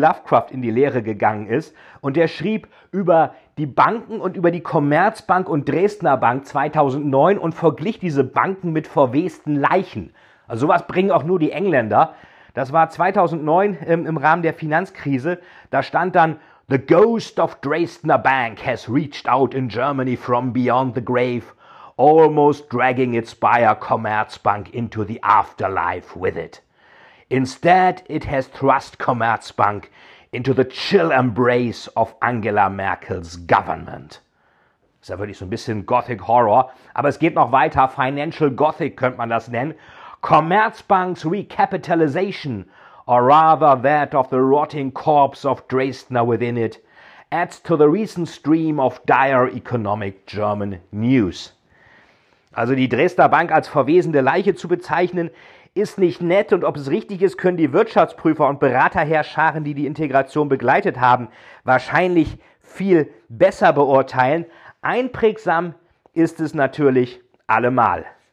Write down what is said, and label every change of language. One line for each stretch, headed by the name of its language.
German: Lovecraft in die Lehre gegangen ist und der schrieb über die Banken und über die Commerzbank und Dresdner Bank 2009 und verglich diese Banken mit verwesten Leichen. Also sowas bringen auch nur die Engländer. Das war 2009 im Rahmen der Finanzkrise.
English: Da stand dann, The ghost of Dresdner Bank has reached out in Germany from beyond the grave, almost dragging its buyer Commerzbank into the afterlife with it. Instead, it has thrust Commerzbank into the chill embrace of Angela Merkels government.
German: Das ist ja wirklich so ein bisschen Gothic Horror. Aber es geht noch weiter. Financial Gothic könnte man das nennen.
English: Commerzbank's recapitalization, or rather that of the rotting corpse of Dresdner within it, adds to the recent stream of dire economic German news.
German: Also die Dresdner Bank als verwesende Leiche zu bezeichnen, ist nicht nett, und ob es richtig ist, können die Wirtschaftsprüfer und Beraterherrscharen, die die Integration begleitet haben, wahrscheinlich viel besser beurteilen. Einprägsam ist es natürlich allemal.